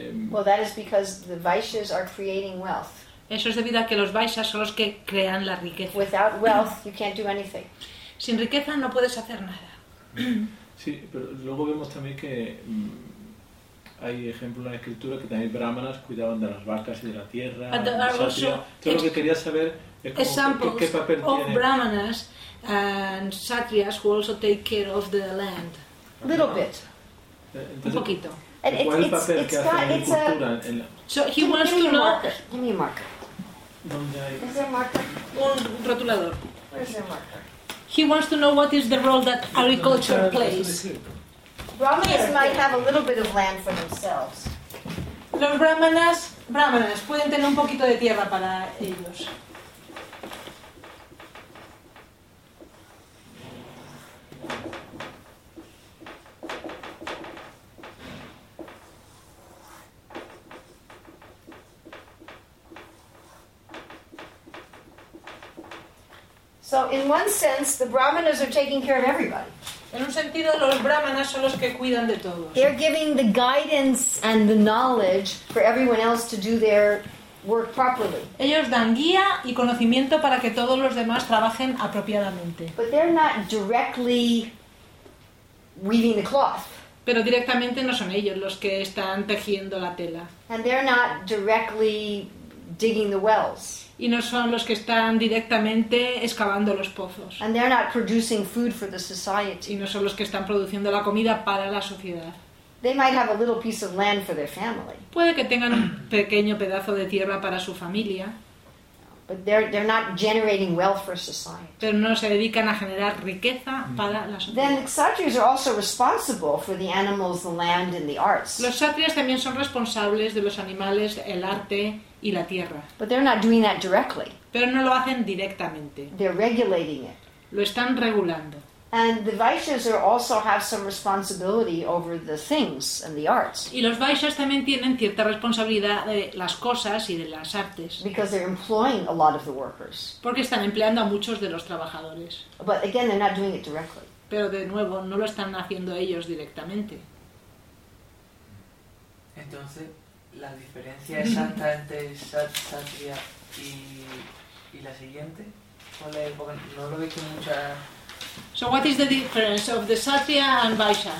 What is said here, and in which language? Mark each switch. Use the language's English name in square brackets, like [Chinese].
[English] well, that is because the Vaishyas are creating wealth. [Spanish] Eso es debido a que los Vaishyas son los que crean la riqueza. [English] Without wealth, you can't do anything. [Spanish] Sin riqueza no puedes hacer nada. Sí, pero luego vemos también que hay ejemplos en la escritura que también brahmanas cuidaban de las vacas y de la tierra. Todo lo que quería saber es como qué papel of tienen. [English] Brahmanas and satrias who also take care of the land. A little bit. [Spanish] Entonces, un poquito. ¿Cuál es el papel que hace la agricultura? [English] So he wants to know. Give me a marker. [Spanish] ¿Dónde hay? ¿Es el marker? Un rotulador. ¿Es el marker? [English] He wants to know what is the role that agriculture plays. Brahmanas might have a little bit of land for themselves. [Spanish] Los brahmanas pueden tener un poquito de tierra para ellos. [English] So in one sense, the brahmanas are taking care of everybody. [Spanish] En un sentido, los brahmanas son los que cuidan de todos. [English] They're giving the guidance and the knowledge for everyone else to do their work properly. [Spanish] Ellos dan guía y conocimiento para que todos los demás trabajen apropiadamente. [English] But they're not directly weaving the cloth. [Spanish] Pero directamente no son ellos los que están tejiendo la tela. [English] And they're not directly digging the wells. [Spanish] Y no son los que están directamente excavando los pozos. [English] And they're not producing food for the society. [Spanish] Y no son los que están produciendo la comida para la sociedad. [English] They might have a little piece of land for their family. [Spanish] Puede que tengan un pequeño pedazo de tierra para su familia. [English] But they're not generating wealth for society. [Spanish] Pero no se dedican a generar riqueza para la sociedad. [English] Then the kshatriyas are also responsible for the animals, the land, and the arts. [Spanish] Los kshatriyas también son responsables de los animales, el arte y la tierra. [English] But they're not doing that directly. [Spanish] Pero no lo hacen directamente. [English] They're regulating it. [Spanish] Lo están regulando. [English] And the Vaishyas also have some responsibility over the things and the arts. [Spanish] Y los Vaishyas también tienen cierta responsabilidad de las cosas y de las artes. [English] Because they're employing a lot of the workers. [Spanish] Porque están empleando a muchos de los trabajadores. [English] But again, they're not doing it directly. [Spanish] Pero de nuevo, no lo están haciendo ellos directamente. Entonces, la diferencia exacta entre Satria y la siguiente, ¿cuál es? Porque no lo veo con mucha. [English] So what is the difference of the Satya and Vaishya?